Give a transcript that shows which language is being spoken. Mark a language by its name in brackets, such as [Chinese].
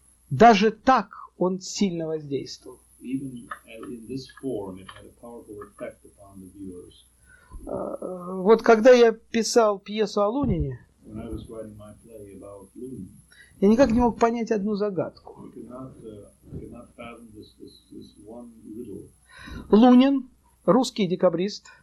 [Russian] Даже так он сильно воздействовал. [English] Even in this form, it had a powerful effect upon the viewers. [Russian] Вот когда я писал пьесу о Лунине, [English] when I was writing my play about Lenin, [Russian] я никак не мог понять одну загадку. [English] I cannot fathom this one riddle. [Russian] Лунин, русский декабрист,